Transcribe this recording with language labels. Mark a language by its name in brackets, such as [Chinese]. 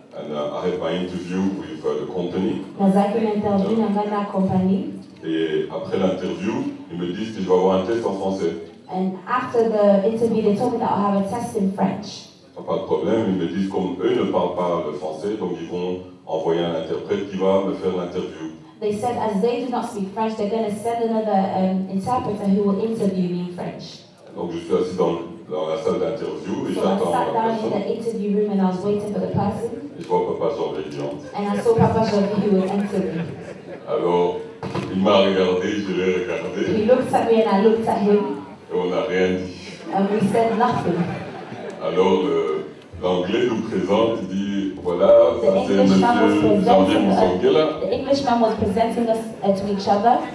[English] And I had my interview with the company. [French] Dans une interview avec la compagnie. Et après l'interview, ils me disent que je vais avoir un test en français. [English] And after the interview, they told me that I'll have a test in French. [French] Pas de problème, ils me disent qu'eux ne parlent pas le français, donc ils vont envoyer un interprète qui va me faire l'interview. [English] They said as they do not speak French, they're going to send another interpreter who will interview me in French. [French] Donc je suis assis dans la salle d'interview et j'attends la personne. [English] So I sat down in the interview room and I was waiting for the person. [French] Et je vois Papa Jean-Pierre qui entre. [English] And I saw Papa Jean-Pierre who will enter. [French] Alors, il m'a regardé, je l'ai regardé. [English] He looked at me and I looked at him. [French] Et on n'a rien dit. [English] And we said nothing. [French] Alors, l'anglais nous présente, il dit, voilà, ça c'est monsieur Jean-Pierre Moussangela. [English] The Englishman was presenting us to each other.